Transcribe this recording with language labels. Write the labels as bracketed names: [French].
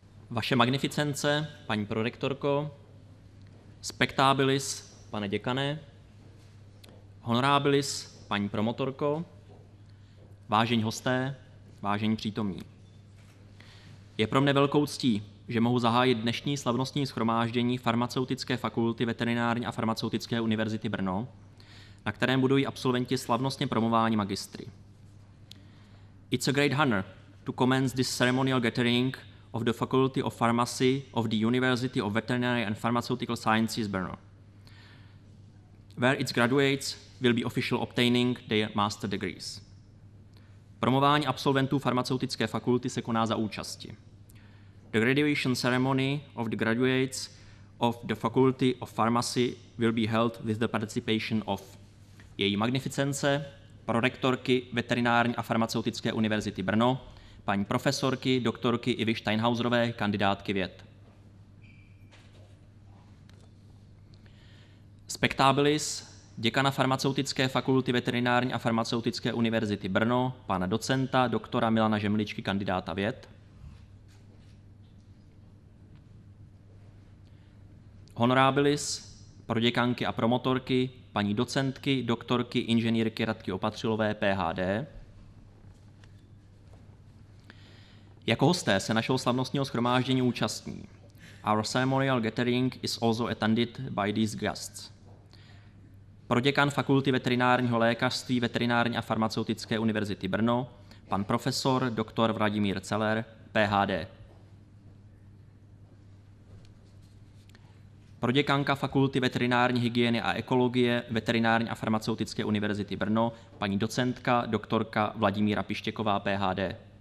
[Czech] Vaše magnificence, paní prorektorko, spectabilis, pane děkane, honorabilis, paní promotorko, vážení hosté, vážení přítomní. Je pro mne velkou ctí, že mohu zahájit dnešní slavnostní shromáždění Farmaceutické fakulty Veterinární a farmaceutické univerzity Brno, na kterém budou i absolventi slavnostně promování magistry. [English] It's a great honor to commence this ceremonial gathering of the Faculty of Pharmacy of the University of Veterinary and Pharmaceutical Sciences, Brno, where its graduates will be officially obtaining their master degrees. [Czech] Promování absolventů farmaceutické fakulty se koná za účasti. [English] The graduation ceremony of the graduates of the Faculty of Pharmacy will be held with the participation of [Czech] její magnificence, prorektorky Veterinární a farmaceutické univerzity Brno, paní profesorky, doktorky Ivy Steinhauserové, kandidátky věd. Spectabilis, děkana Farmaceutické fakulty Veterinární a farmaceutické univerzity Brno, pana docenta, doktora Milana Žemličky, kandidáta věd. Honorabilis, proděkanky a promotorky, paní docentky, doktorky, inženýrky Radky Opatřilové, PhD. Jako hosté se našeho slavnostního shromáždění účastní. [English] Our ceremonial gathering is also attended by these guests. [Czech] Proděkan Fakulty veterinárního lékařství Veterinární a farmaceutické univerzity Brno, pan profesor dr. Vladimír Celer, PhD. Proděkanka Fakulty veterinární hygieny a ekologie Veterinární a farmaceutické univerzity Brno, paní docentka doktorka Vladimíra Pištěková, PhD.